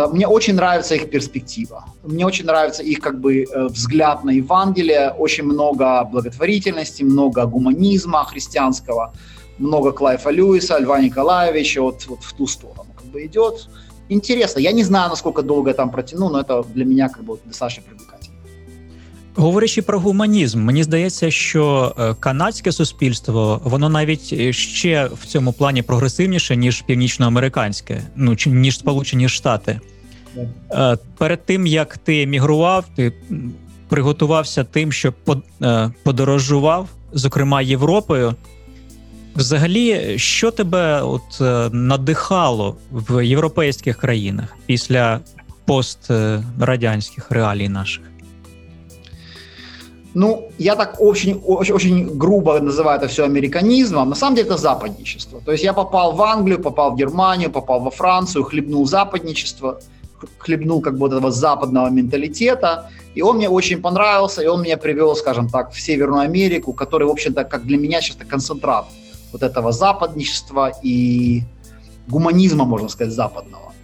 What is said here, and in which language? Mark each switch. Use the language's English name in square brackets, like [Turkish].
[Russian] Мне очень нравится их перспектива. Мне очень нравится их, как бы, взгляд на Евангелие. Очень много благотворительности, много гуманизма христианского, много Клайфа Льюиса, Льва Николаевича, вот в ту сторону. Идет. Интересно. Я не знаю, насколько долго я там протяну, но это для меня как бы достаточно привлекательно. [Ukrainian] Говорячи про гуманізм, мені здається, що канадське суспільство, воно навіть ще в цьому плані прогресивніше, ніж північноамериканське, ну, ніж Сполучені Штати. [English] Yeah. [Ukrainian] Перед тим, як ти емігрував, ти приготувався тим, що подорожував, зокрема, Європою. Взагалі, що тебе от надихало в європейських країнах після пострадянських реалій наших? [Russian] Ну, я так очень грубо називаю це все американізмом. [Ukrainian] Насправді це западничество. Тобто я попав в Англію, попав в Германію, попав во Францію, хлібнув западничество, хлібнув [Russian] как бы этого западного [Ukrainian] менталітету. [Russian] И он мне очень понравился, и он меня привел, скажем так, в Северную Америку, который, в общем-то, как для меня сейчас это концентрат вот этого западничества и гуманизма, можно сказать, западного.